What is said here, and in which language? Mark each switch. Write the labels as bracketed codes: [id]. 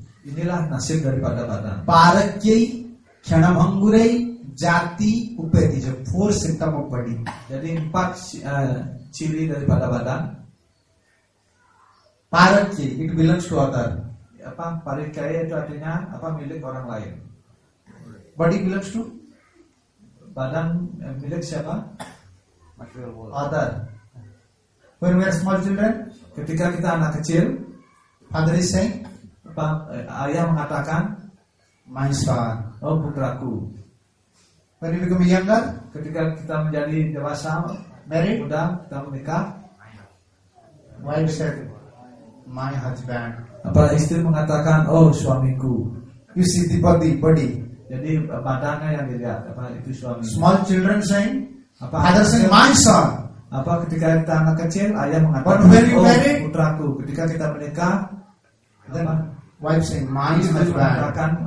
[id] Inilah nasib daripada badan. [sa] Parakyai kshanabhangurai jati upeti jo [en] four symptom of body. [id] Jadi empat ciri daripada badan. [en] Parakyai it belongs to other. [id] Apa parakyai itu artinya apa milik orang lain. [en] body belongs to? [id] Badan milik siapa? [en] Material world. Other. When we are small children, [id] ketika kita anak kecil, [en] father is saying, [id] ayah mengatakan, [en] my son, [id] oh putraku. [en] When we become younger, [id] ketika kita menjadi dewasa, [en] married, [id] muda, kita menikah, [en] wife said, my husband. [id] Apa istri mengatakan, oh suamiku. [en] You see the body. [id] Jadi badannya yang dilihat, apa itu suami. [en] Small children saying, father saying, my son. [id] Apa ketika kita anak kecil ayah mengatakan oh putraku, ketika kita menikah [en] then wife saying my husband,